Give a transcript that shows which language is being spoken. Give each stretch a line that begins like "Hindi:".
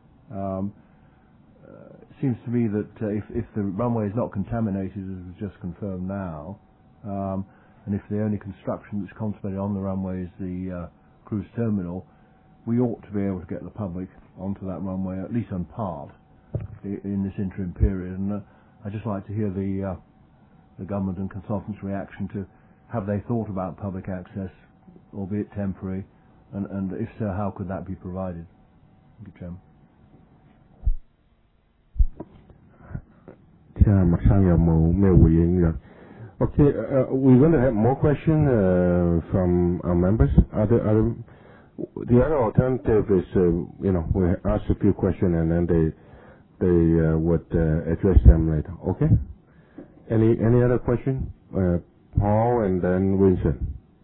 English: It seems to me that if the runway is not contaminated, as was just confirmed now, and if the only construction that's contemplated on the runway is the cruise terminal,we ought to be able to get the public onto that runway, at least in part, in this interim period. And I'd just like to hear the government and consultants' reaction to, have they thought about public access, albeit temporary, and if so, how could that be provided? Thank you, Chairman.
Cantonese: 听下麦生有冇咩回应嘅。
English: Okay, we're going to have more questions from our members. The other alternative is, we ask a few questions and then they would address them later. Okay? Any other question? Paul and then Winston.